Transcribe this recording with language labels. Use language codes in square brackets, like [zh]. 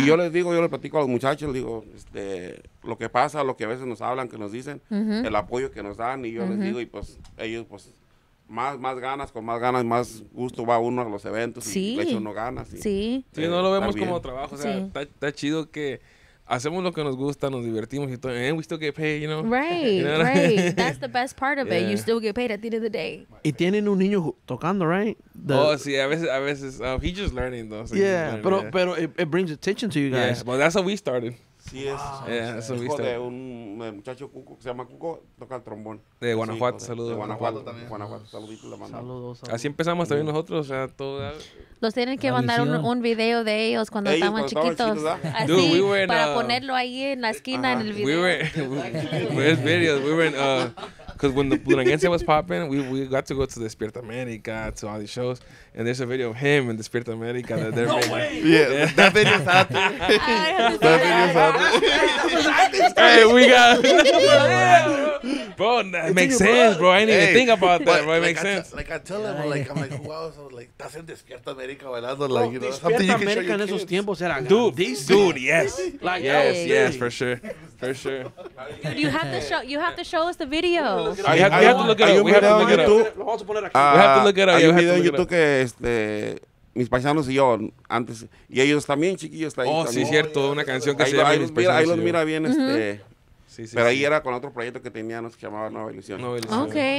[es] Y yo les digo, yo les platico a los muchachos, les digo, lo que pasa, lo que a veces nos hablan, que nos dicen, el apoyo que nos dan. Y yo les digo, y pues ellos, pues, más ganas, con más ganas, más gusto va uno a los eventos. Sí. Y le echa uno ganas. Y, sí. Sí, no lo vemos como trabajo. O sea, está chido que hacemos lo que nos gusta, nos divertimos y todo. [en] And we still get paid, you know. Right, you know, right. That's the best part of it. You still get paid at the end of the day. [es] Y tienen un niño tocando, right? Sí, a veces. [en] Oh, he's just learning, though. So yeah, learning, pero, yeah, pero it brings attention to you guys. Yeah, well, that's how we started. [es] Sí, es hijo de un muchacho Cuco, que se llama Cuco, toca el trombón. De Guanajuato, sí, saludos. De Guanajuato también. Guanajuato, saluditos, le mandamos. Saludos. Así empezamos también nosotros, o sea, todo. Los tienen que mandar un video de ellos cuando estaban chiquitos. Chiquitos, ¿eh? Así, dude, para ponerlo ahí en la esquina en el video. [en] Because when the Duranguense was popping, we got to go to Despierta America, to all these shows. And there's a video of him in Despierta America that they're making. That video's happening. That video's happening. Hey, we got... Bro, that makes sense, bro. I didn't even think about that, bro. It makes sense. Like, I tell him, like, I'm like, who else? Like, that's in Despierta America bailando, like, you know. [es] Despierta America en esos tiempos era [en] grandísimo. Dude, yes. Yes, yes, for sure. For sure. Dude, you have to show us the video. We have to look it up. [es] Hay un video en YouTube que mis paisanos y yo antes, y ellos también chiquillos. Oh, sí, cierto. Una canción que se llama Mis Paisanos. Ahí los mira bien, sí, pero sí, ahí sí. Era con otro proyecto que tenía, nos llamaba Nueva Ilusión. [en] Ok.